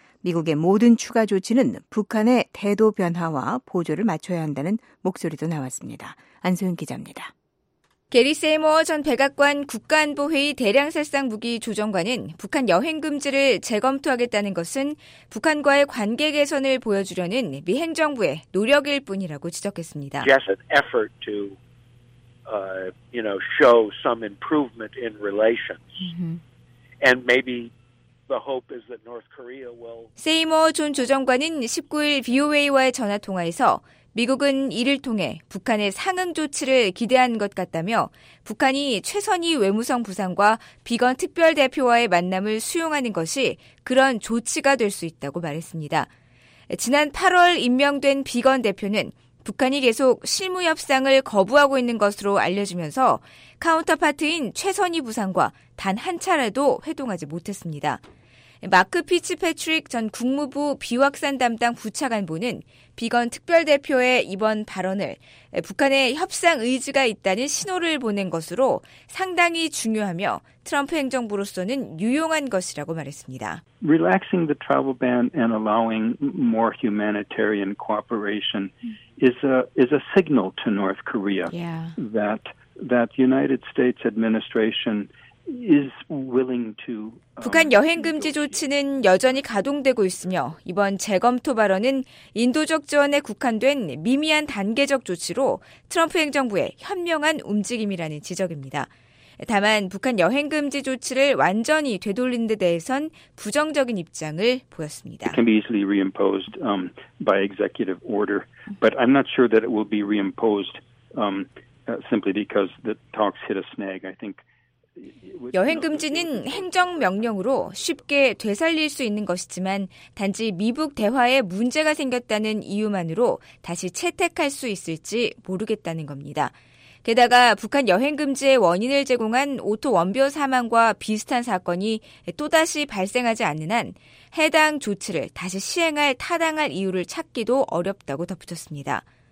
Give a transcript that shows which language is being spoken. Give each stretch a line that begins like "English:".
Korean: 미국의 모든 추가 조치는 북한의 태도 변화와 보조를 맞춰야 한다는 목소리도 나왔습니다. 안소영 기자입니다. 게리 세이머 전 백악관 국가안보회의 대량살상무기 조정관은 북한 여행 금지를 재검토하겠다는 것은 북한과의 관계 개선을 보여주려는 미 행정부의 노력일 뿐이라고 지적했습니다.
English: Yes, an effort to, you know, show some improvement in relations. And maybe the hope is that North Korea will.
Korean: 세이머 전 조정관은 19일 VOA와의 전화 통화에서 미국은 이를 통해 북한의 상응 조치를 기대한 것 같다며 북한이 최선희 외무성 부상과 비건 특별대표와의 만남을 수용하는 것이 그런 조치가 될 수 있다고 말했습니다. 지난 8월 임명된 비건 대표는 북한이 계속 실무 협상을 거부하고 있는 것으로 알려지면서 카운터파트인 최선희 부상과 단 한 차례도 회동하지 못했습니다. 마크 피츠 패트릭 전 국무부 비확산 담당 부차관보는 비건 특별대표의 이번 발언을 북한의 협상 의지가 있다는 신호를 보낸 것으로 상당히 중요하며 트럼프 행정부로서는 유용한 것이라고 말했습니다.
English: Relaxing the travel ban and allowing more humanitarian cooperation is a signal to North Korea that United States administration is willing to
Korean: 북한 여행 금지 조치는 여전히 가동되고 있으며 이번 재검토 발언은 인도적 지원에 국한된 미미한 단계적 조치로 트럼프 행정부의 현명한 움직임이라는 지적입니다. 다만 북한 여행 금지 조치를 완전히 되돌린 데 대해선 부정적인 입장을 보였습니다.
English: It can be easily reimposed by executive order, but I'm not sure that it will be reimposed simply because the talks hit a snag. I think
Korean: 여행금지는 행정명령으로 쉽게 되살릴 수 있는 것이지만 단지 미북 대화에 문제가 생겼다는 이유만으로 다시 채택할 수 있을지 모르겠다는 겁니다. 게다가 북한 여행금지의 원인을 제공한 오토 원벼 사망과 비슷한 사건이 또다시 발생하지 않는 한 해당 조치를 다시 시행할 타당할 이유를 찾기도 어렵다고 덧붙였습니다.